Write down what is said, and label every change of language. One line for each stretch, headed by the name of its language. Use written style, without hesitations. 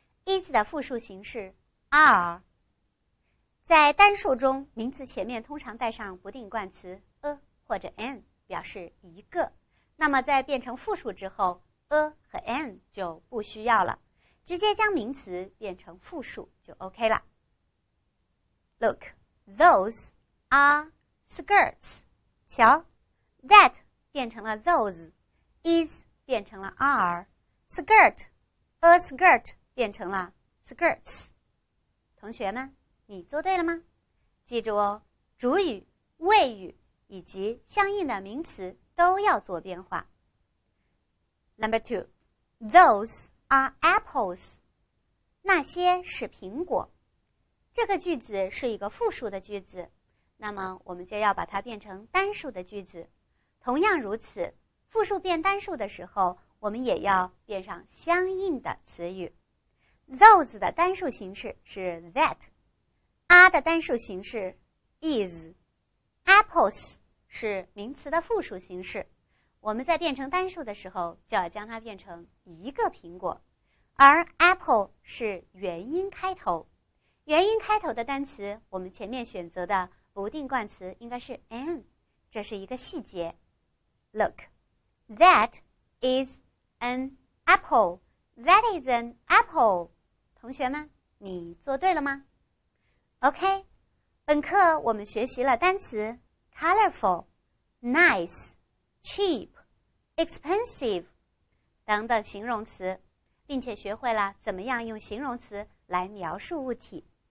Chinese: Is 的复数形式 are。在单数中，名词前面通常带上不定冠词 a 或者 an 表示一个，那么在变成复数之后 a 和 an 就不需要了，直接将名词变成复数就 OK 了。
English: Look, those are skirts.
Chinese: 瞧， that 变成了 those, is 变成了 are, skirt, a skirt 变成了 skirts. 同学们，你做对了吗？记住哦，主语、谓语以及相应的名词都要做变化。
English: Number two, those are apples.
Chinese: 那些是苹果。这个句子是一个复数的句子，那么我们就要把它变成单数的句子。同样如此，复数变单数的时候，我们也要变上相应的词语。 Those 的单数形式是 that。are 的单数形式 is, apples 是名词的复数形式，我们在变成单数的时候就要将它变成一个苹果，而 apple 是元音开头，元音开头的单词我们前面选择的不定冠词应该是 an, 这是一个细节。
English: Look, that is an apple, that is an apple.
Chinese: 同学们，你做对了吗？ OK, 本课我们学习了单词 colorful, nice, cheap, expensive 等等形容词，并且学会了怎么样用形容词来描述物体。